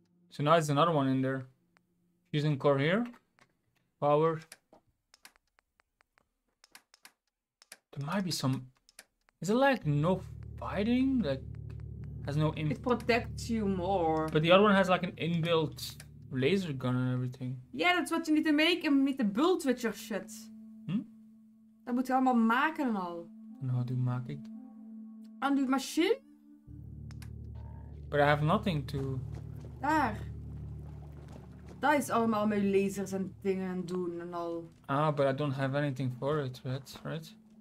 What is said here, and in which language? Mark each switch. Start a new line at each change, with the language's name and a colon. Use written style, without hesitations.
English: So now there's another one in there. Fusion core here. Power. There might be some. Is it like no fighting? Like, has no. It protects you more. But the other one has like an inbuilt laser gun and everything. Yeah, that's what you need to make. And need to build with your shit. Hmm?
Dutch: Dat moet je allemaal maken en al.
English: And how do you make it? On the machine? But I have nothing to.
Dutch: Daar. Dat is allemaal met lasers en dingen en doen en al.
English: Ah, but I don't have anything for it, right?